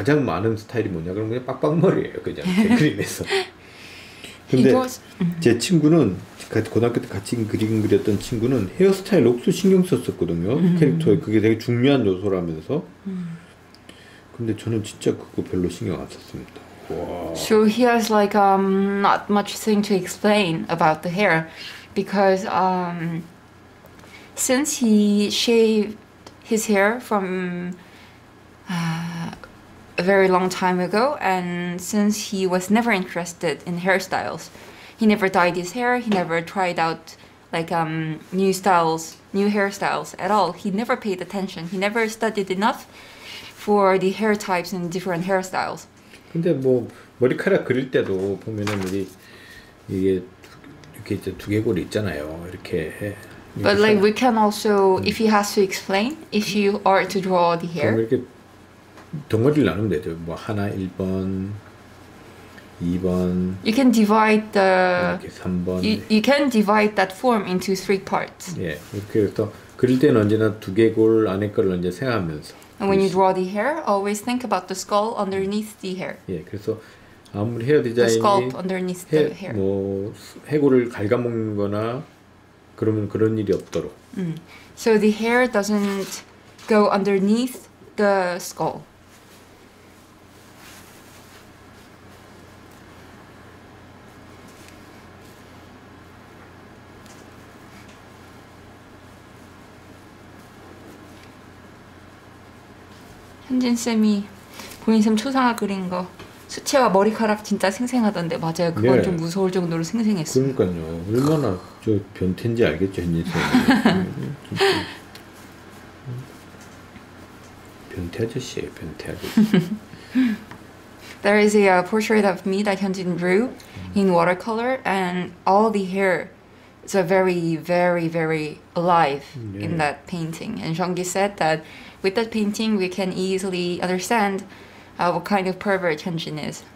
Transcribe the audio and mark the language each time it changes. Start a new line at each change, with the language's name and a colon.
Korean: 가장 많은 스타일이 뭐냐 그러면 그냥 빡빡머리예요, 그냥 제 그림에서. 근데 제 친구는 고등학교 때 같이 그림 그렸던 친구는 헤어스타일 옥수 신경 썼었거든요. 캐릭터에 그게 되게 중요한 요소라면서. 근데 저는 진짜 그거 별로 신경 안 썼습니다.
English: So he has like not much thing to explain about the hair, because since he shaved his hair from a very long time ago, and since he was never interested in hairstyles, he never dyed his hair, he never tried out like new styles, new hairstyles at all. He never paid attention. He never studied enough for the hair types and different hairstyles.
Korean: 근데 뭐 머리카락 그릴 때도 보면은 우리 이게 이렇게 이제 두개골이 있잖아요. 이렇게.
English: But like we can also if he has to explain if you are to draw the hair.
Korean: 그럼 이렇게 덩어리를 나누면 되죠. 뭐 하나 1번 2번
English: You can divide the
Korean: 이렇게 3번
English: you can divide that form into three parts.
Korean: 예. 이렇게 해서 그릴 때는 언제나 두개골 안에 거를 언제 생각하면서
English: And when you draw the hair, always think about the skull underneath the hair.
Korean: 예, 그래서 아무리 헤어 디자인이
English: The skull underneath the hair.
Korean: 뭐 해골을 갉아먹는거나 그러면 그런 일이 없도록.
English: So the hair doesn't go underneath the skull.
Korean: 현진 쌤이 본인 쌤 초상화 그린 거 수채화 머리카락 진짜 생생하던데 맞아요? 그건 네. 좀 무서울 정도로 생생했어요. 그러니까요. 얼마나 저 변태인지 알겠죠, 현진 쌤. 변태 아저씨예요, 변태 아저씨.
English: There is a portrait of me that 현진 drew in watercolor, and all the hair is a very, very, very alive 네. in that painting. And 정기 said that. With that painting, we can easily understand what kind of pervert Hyunjin is.